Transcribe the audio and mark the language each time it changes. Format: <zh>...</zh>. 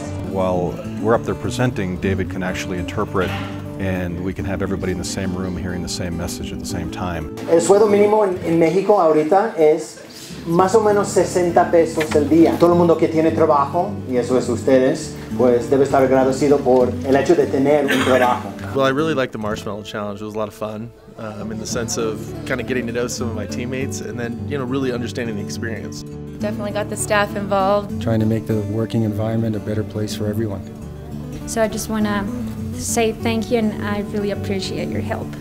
<en>While we're up there presenting, David can actually interpret, and we can have everybody in the same room hearing the same message at the same time.</en> <es>El sueldo mínimo en México ahorita es más o menos 60 pesos el día. Todo el mundo que tiene trabajo, y eso es ustedes, pues debe estar agradecido por el hecho de tener un trabajo.</es> <en>Well, I really liked the marshmallow challenge. It was a lot of fun in the sense of kind of getting to know some of my teammates and then, you know, really understanding the experience. Definitely got the staff involved. Trying to make the working environment a better place for everyone. So I just want to say thank you, and I really appreciate your help.</en>